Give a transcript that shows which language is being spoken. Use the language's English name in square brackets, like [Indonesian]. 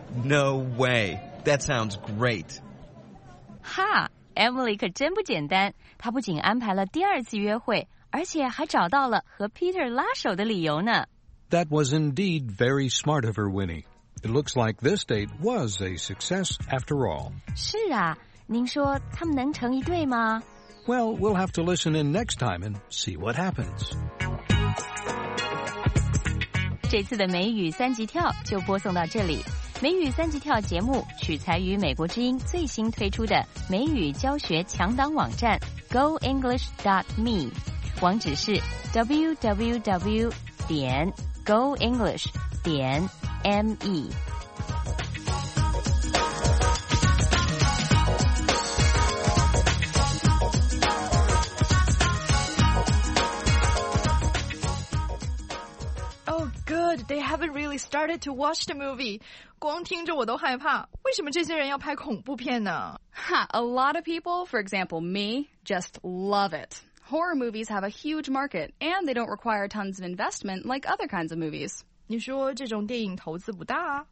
[English] No way! That sounds great! [Chinese] Ha! Emily 可真不简单，她不仅安排了第二次约会，而且还找到了和 Peter 拉手的理由呢。 [English] That was indeed very smart of her, Winnie. It looks like this date was a success after all. [Chinese] 是啊，您说他们能成一对吗？ [English] Well, we'll have to listen in next time and see what happens. [Chinese] 这次的美语三级跳就播送到这里。美语三级跳节目取材于美国之音最新推出的美语教学强档网站 goenglish.me， 网址是 www.goenglish.me。 [English] They haven't really started to watch the movie. [Chinese] 光听着我都害怕。为什么这些人要拍恐怖片呢？ [English] A lot of people, for example me, just love it. Horror movies have a huge market, and they don't require tons of investment like other kinds of movies. [Chinese] 你说这种电影投资不大啊？